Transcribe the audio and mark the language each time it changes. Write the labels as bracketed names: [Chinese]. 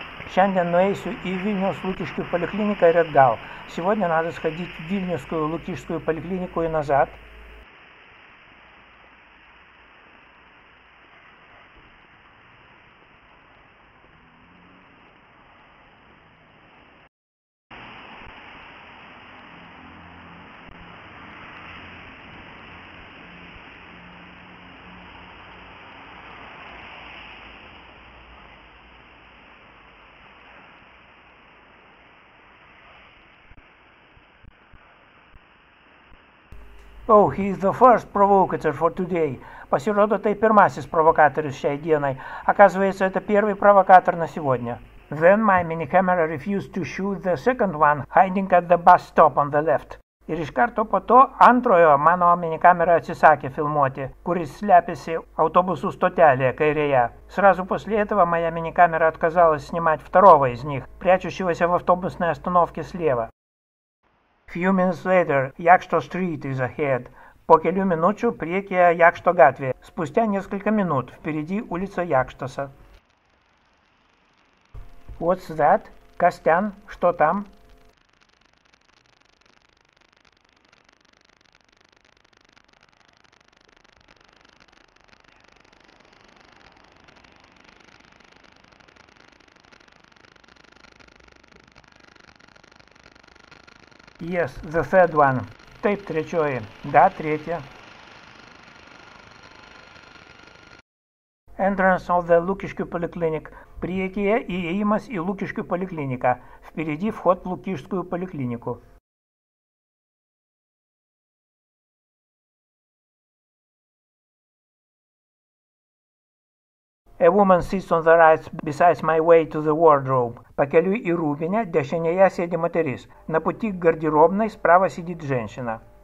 [Lithuanian] Šiandien nueisiu į Vilnius Lukiškių Polikliniką ir atgal. [Russian] Сегодня надо сходить в Вильнюсскую Лукишскую поликлинику и назад. [English] Oh, he is the first provocateur for today. [Lithuanian] Pasirodo, tai pirmasis provokatorius šiai dienai. [Russian] Оказывается, это первый провокатор на сегодня. [English] Then my mini camera refused to shoot the second one, hiding at the bus stop on the left. [Lithuanian] Ir iš karto po to antrojo mano mini kamera atsisakė filmuoti, kuris slepiasi autobusų stotelėje kairėje. [Russian] Сразу после этого моя mini camera отказалась снимать второго из них, прячущегося в автобусной остановке слева. [English] Few minutes later, Jakšto Street is ahead. [Lithuanian] По кілю минучу приекія Jakšto Gatvė. [Russian] Спустя несколько минут впереди улица Jakštas. [English] What's that? [Russian] Костян, что там? [English] Yes, the third one. [Lithuanian] Taip, trečioji. [Russian] Да, третья. [English] Entrance of the Lukiškių Polyclinic. [Lithuanian] Priekyje įėjimas į Lukiškių polikliniką. [Russian] Впереди вход в Лукишскую поликлинику. [English] A woman sits on the right besides my way to the wardrobe. [Lithuanian] Pakeliui į rūbinę, dešinėje sėdi moteris. [Russian] На пути к гардеробной справа сидит женщина.